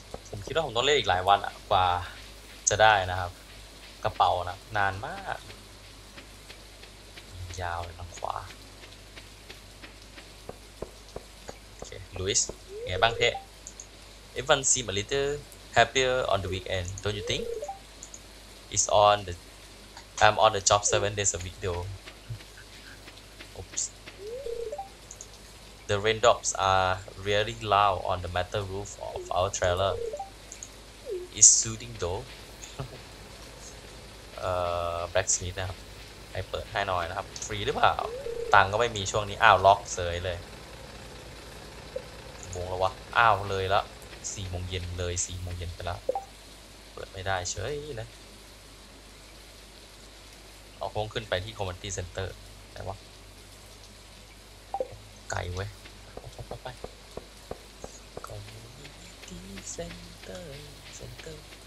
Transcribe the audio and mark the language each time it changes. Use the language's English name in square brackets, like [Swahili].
[Thai] ผมคิดว่าผมต้องเล่นอีกหลายวันกว่าจะได้นะครับกระเป๋านะนานมากยาวทางขวาโอเคลุยส์ไงบ้างเพ่ [English] Everyone seem a littleHappier on the weekend, don't you think? It's on the... I'm on the job 7 days a week though. Oops. The raindrops are really loud on the metal roof of our trailer. It's soothing though. [Thai] Blacksmith นะครับให้เปิดให้หน่อยนะครับฟรีหรือเปล่าตังก็ไม่มีช่วงนี้อ้าวล็อกเสยเลยวงแล้ววะอ้าวเลยละ4โมงเย็นเลย4โมงเย็นไปแล้วเปิดไม่ได้เฉยนะเอาคงขึ้นไปที่คอมมูนิตี้เซ็นเตอร์แต่ว่าไกลเว้ยไปไปคอมมูนิตี้เซ็นเตอร์เซ็นเตอร์